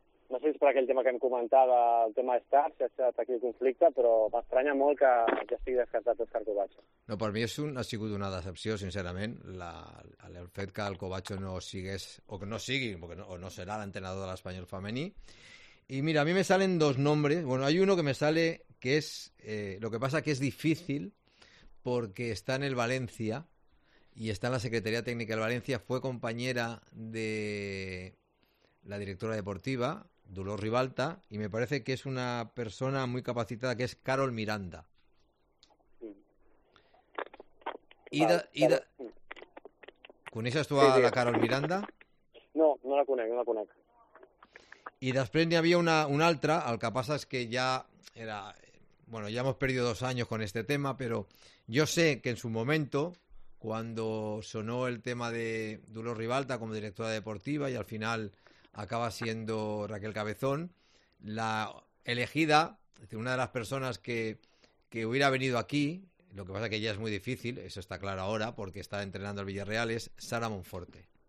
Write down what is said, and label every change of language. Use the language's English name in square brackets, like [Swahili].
[Catalan] No sé si és per aquell tema que em comentava, el tema d'estar, si ha estat aquí el conflicte, però m'estranya molt que ja estigui descartat Óscar Covacho. No, per mi ha sigut una decepció, sincerament, el fet que el Covacho no sigués, o que no sigui, o no serà l'entrenador de l'Espanyol femení. I mira, [Spanish] a mi me salen dos nombres. Bueno, hay uno que me sale, que es, lo que pasa que es difícil, porque está en el Valencia, y está en la Secretaría Técnica del Valencia, fue compañera de la directora deportiva, Dolors Ribalta, y me parece que es una persona muy capacitada, que es Carol Miranda. [Catalan] ¿Coneixes tu a la Carol Miranda? No, no la conec, no la conec. I després n'hi havia una altra, el que passa és que ja era... [Spanish] Bueno, ya hemos perdido dos años con este tema, pero yo sé que en su momento, cuando sonó el tema de Dolors Ribalta como directora deportiva y al final acaba siendo Raquel Cabezón, la elegida, es decir, una de las personas que hubiera venido aquí, lo que pasa es que ya es muy difícil, eso está claro ahora, porque está entrenando al Villarreal, es Sara Monforte.